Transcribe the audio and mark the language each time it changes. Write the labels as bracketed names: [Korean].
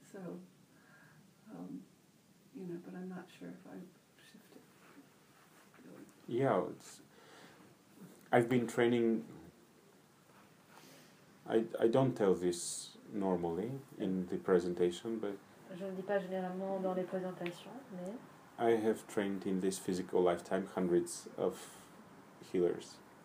[English] So, but I'm not sure if I've shifted. Yeah, I've been training. I don't tell this normally in the presentation, but [French] je ne dis pas généralement dans les présentations, mais [English] I have trained in this physical lifetime hundreds of healers.